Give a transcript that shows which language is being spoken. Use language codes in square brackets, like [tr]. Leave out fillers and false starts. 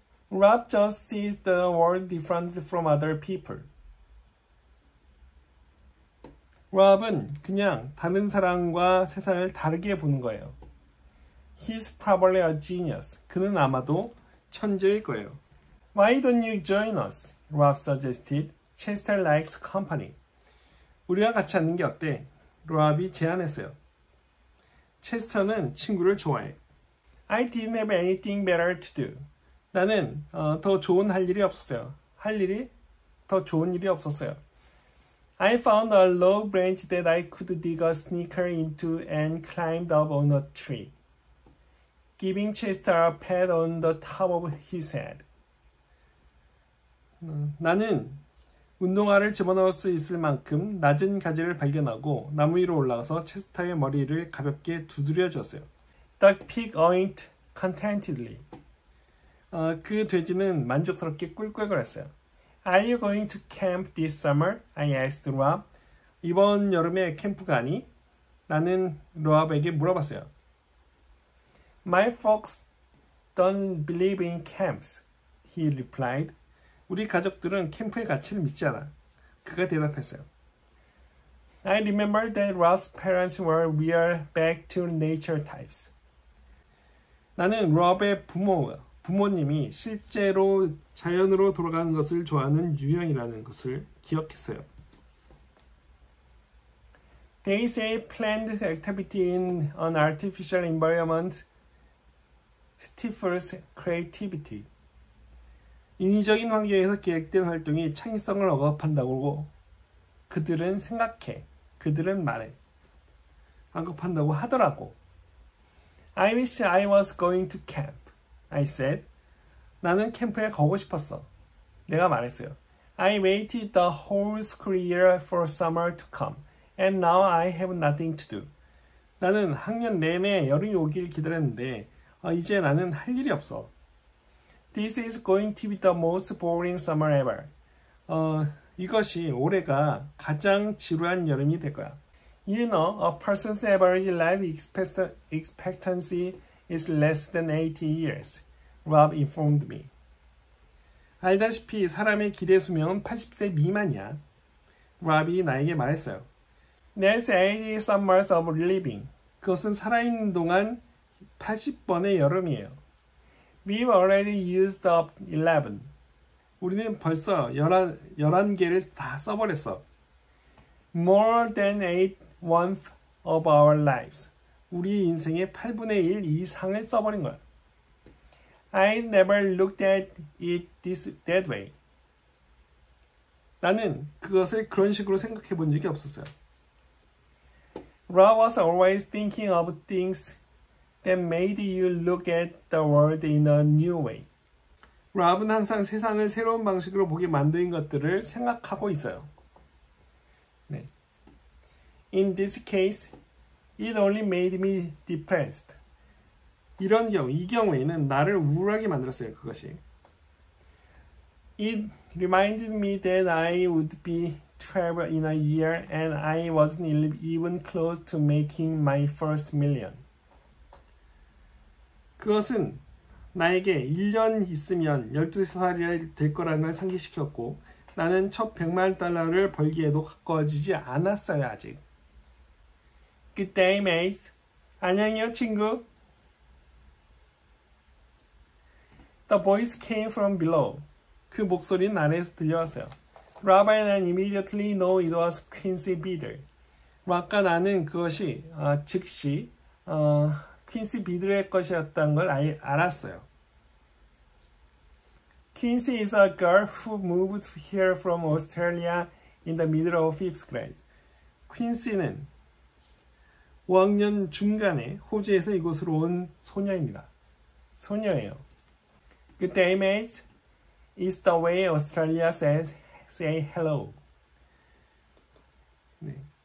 [en] Rob just sees the world differently from other people. [ko] Rob은 그냥 다른 사람과 세상을 다르게 보는 거예요. [en] He's probably a genius. [ko] 그는 아마도 천재일 거예요. [en] Why don't you join us? Rob suggested. Chester likes company. [ko] 우리와 같이 앉는 게 어때? 로압이 제안했어요. 체스터는 친구를 좋아해. [en] I didn't have anything better to do. [ko] 나는 더 좋은 할 일이 없었어요. 할 일이 더 좋은 일이 없었어요. [en] I found a low branch that I could dig a sneaker into and climbed up on a tree, giving Chester a pat on the top of his head. [ko] 나는 운동화를 집어넣을 수 있을 만큼 낮은 가지를 발견하고 나무 위로 올라가서 체스터의 머리를 가볍게 두드려 주었어요. [en] Duck pig oinked contentedly. [ko] 그 돼지는 만족스럽게 꿀꿀거렸어요. [en] Are you going to camp this summer? I asked Rob. [ko] 이번 여름에 캠프 가니? 나는 로압에게 물어봤어요. [en] My folks don't believe in camps, he replied. [ko] 우리 가족들은 캠프의 가치를 믿지 않아. 그가 대답했어요. [en] I remember that Rob's parents were real back to nature types. [ko] 나는 Rob의 부모님이 실제로 자연으로 돌아가는 것을 좋아하는 유형이라는 것을 기억했어요. [en] They say planned activity in an artificial environment stifles creativity. [ko] 인위적인 환경에서 계획된 활동이 창의성을 억압한다고 그들은 생각해. 그들은 말해. 억압한다고 하더라고. [en] I wish I was going to camp, I said. [ko] 나는 캠프에 가고 싶었어. 내가 말했어요. [en] I waited the whole school year for summer to come, and now I have nothing to do. [ko] 나는 학년 내내 여름이 오길 기다렸는데 이제 나는 할 일이 없어. [en] This is going to be the most boring summer ever. [ko] 이것이 올해가 가장 지루한 여름이 될 거야. [en] You know, a person's average life expectancy is less than 80 years, Rob informed me. [ko] 알다시피 사람의 기대 수명은 80세 미만이야. Rob이 나에게 말했어요. [en] That's 80 summers of living. [ko] 그것은 살아있는 동안 80번의 여름이에요. [en] We've already used up 11. [ko] 우리는 벌써 11개를 다 써버렸어. [en] More than 8/1 of our lives. [ko] 우리 인생의 8분의 1 이상을 써버린 거야. [en] I never looked at it that way. [ko] 나는 그것을 그런 식으로 생각해 본 적이 없었어요. [en] Rob was always thinking of things that made you look at the world in a new way. [ko] 랍은 항상 세상을 새로운 방식으로 보게 만든 것들을 생각하고 있어요. 네. [en] In this case, it only made me depressed. [ko] 이런 경우, 이 경우에는 나를 우울하게 만들었어요, 그것이. [en] It reminded me that I would be 12 in a year and I wasn't even close to making my first million. [ko] 그것은 나에게 1년 있으면 12살이 될 거라는 걸 상기시켰고 나는 첫 100만 달러를 벌기에도 가까워지지 않았어요 아직. [en] Good day, mates. [ko] 안녕요, 친구. [en] The voice came from below. [ko] 그 목소리는 아래에서 들려왔어요. [en] Rob and I immediately know it was Quincy Beadle. [ko] 아까 나는 그것이 즉시 퀸시 비들의 것이었던 걸 알았어요. [en] Quincy is a girl who moved here from Australia in the middle of fifth grade. [ko] 퀸시는 5학년 중간에 호주에서 이곳으로 온 소녀입니다. 소녀예요. [en] Good day, mates. It's the way Australia says say hello. [ko] 네.